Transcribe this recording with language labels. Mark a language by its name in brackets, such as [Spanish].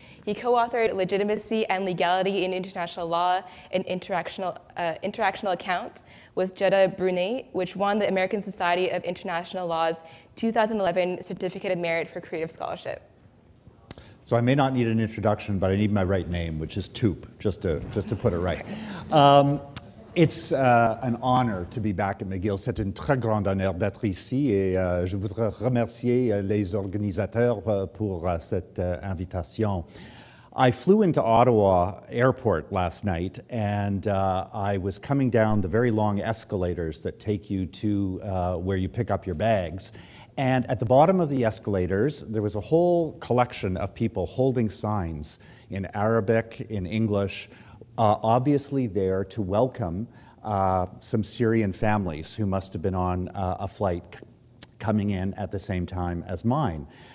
[English] He co-authored Legitimacy and Legality in International Law, an interactional account with Jutta Brunet, which won the American Society of International Law's 2011 Certificate of Merit for Creative Scholarship. So I may not need an introduction, but I need my right name, which is Toope, just to put it right. It's an honor to be back at McGill. [French] C'est un très grand honneur d'être ici, et je voudrais remercier les organisateurs pour cette invitation. [English] I flew into Ottawa Airport last night, and I was coming down the very long escalators that take you to where you pick up your bags. And at the bottom of the escalators, there was a whole collection of people holding signs in Arabic, in English, obviously there to welcome some Syrian families who must have been on a flight coming in at the same time as mine.